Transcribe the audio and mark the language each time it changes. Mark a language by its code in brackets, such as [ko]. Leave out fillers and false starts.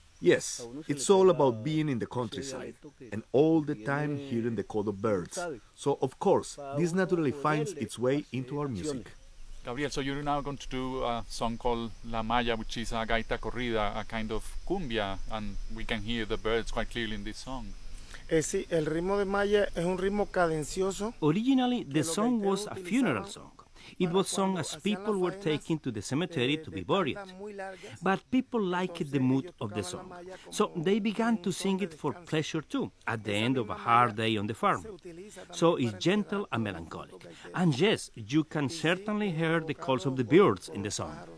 [en] Yes, it's all about being in the countryside and all the time hearing the call of birds. So, of course, this naturally finds its way into our music. Gabriel, so you're now going to do a song called La Maya, which is a gaita corrida, a kind of cumbia, and we can hear the birds quite clearly in this song. [es] Sí, el ritmo de Maya es un ritmo cadencioso. [en] Originally, the song was a funeral song. It was sung as people were taken to the cemetery to be buried. But people liked the mood of the song, so they began to sing it for pleasure too, at the end of a hard day on the farm. So it's gentle and melancholic. And yes, you can certainly hear the calls of the birds in the song.